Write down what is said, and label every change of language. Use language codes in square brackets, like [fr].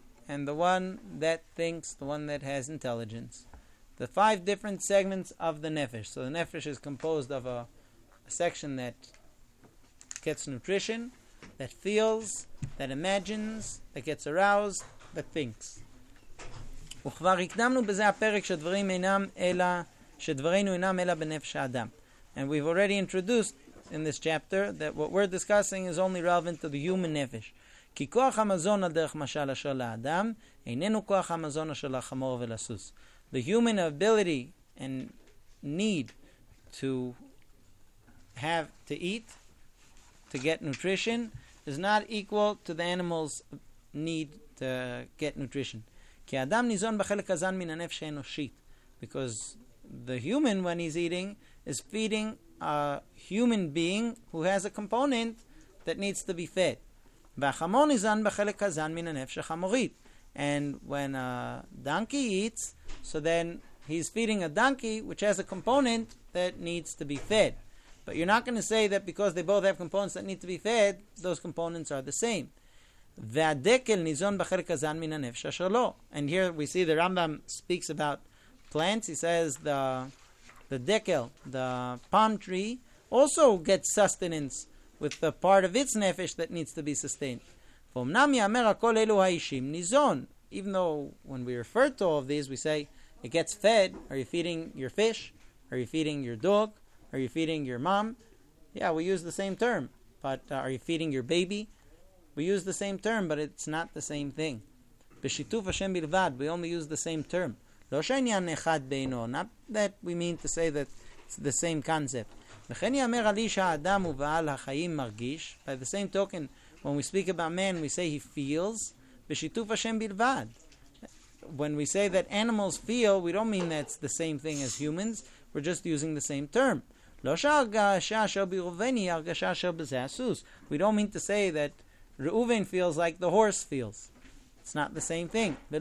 [en] and the one that thinks, the one that has intelligence. The five different segments of the nefesh. So the nefesh is composed of a section that gets nutrition, that feels, that imagines, that gets aroused, that thinks. [he] וכבר הקדמנו בזה הפרק שדברים אינם אלא, שדברינו אינם אלא בנפש האדם. [en] And we've already introduced in this chapter that what we're discussing is only relevant to the human nefesh. [he] כי כוח המזון על דרך משל אשר לאדם, איננו כוח המזון אשר לחמור ולסוס. [en] The human ability and need to have to eat, to get nutrition, is not equal to the animal's need to get nutrition. [he] כי האדם ניזון בחלק הזן מן הנפש האנושית. [en] Because the human, when he's eating, is feeding a human being who has a component that needs to be fed. [he] והחמור ניזון בחלק הזן מן הנפש החמורית. [en] And when a donkey eats, so then he's feeding a donkey which has a component that needs to be fed. But you're not going to say that because they both have components that need to be fed, those components are the same. [he] והדקל ניזון בחלק הזן מן הנפש אשר לא. [en] And here we see the Rambam speaks about plants. He says the dekel, the palm tree, also gets sustenance with the part of its nefesh that needs to be sustained. [he] ואומנם יאמר הכל אלו האישים ניזון. [en] Even though when we refer to all of these, we say, it gets fed. Are you feeding your fish? Are you feeding your dog? Are you feeding your mom? Yeah, we use the same term. But are you feeding your baby? We use the same term, but it's not the same thing. [he] בשיתוף השם בלבד, [en] we only use the same term. [he] לא שעניין אחד בינו, [en] not that we mean to say that it's the same concept. [he] וכן יאמר על איש האדם ובעל החיים מרגיש. [en] By the same token, when we speak about man, we say he feels. [he] בשיתוף השם בלבד. [en] When we say that animals feel, we don't mean that's the same thing as humans. We're just using the same term. [he] לא שהרגשה אשר ברובני, הרגשה אשר בזה הסוס. [en] We don't mean to say that Reuven feels like the horse feels. It's not the same thing.